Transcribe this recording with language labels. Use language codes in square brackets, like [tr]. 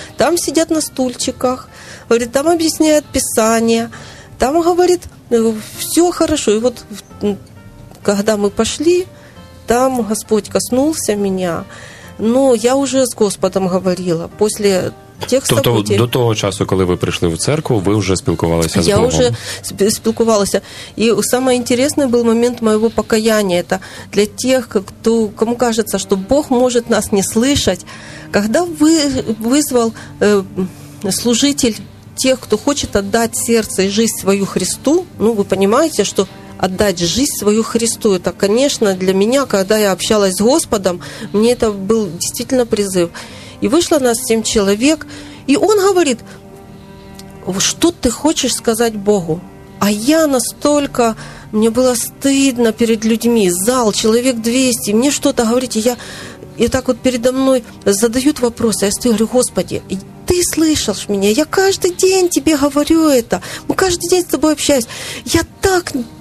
[ru] Там сидят на стульчиках, говорит, там объясняют Писание, там, говорит, все хорошо». И вот когда мы пошли, там Господь коснулся меня, но я уже с Господом говорила после тех [uk] тобто [ru] событий. [uk] До того часу, коли ви прийшли в церкву, ви вже спілкувалися з Богом? Я вже спілкувалася. І найінтересніший був момент моєго покаяння. Це для тих, кому кажеться, що Бог може нас не слышать. Коли визвав служитель тих, хто хоче віддати серце і життя свою Христу, ну, ви розумієте, що отдать жизнь свою Христу. [ru] Это, конечно, для меня, когда я общалась с Господом, мне это был действительно призыв. И вышло нас 7 человек, и он говорит: «Что ты хочешь сказать Богу?» А я настолько, мне было стыдно перед людьми, зал, человек 200, мне что-то говорите, и так вот передо мной задают вопросы, я стою, говорю: «Господи, ты слышишь меня, я каждый день тебе говорю это, мы каждый день с тобой общаемся, я так...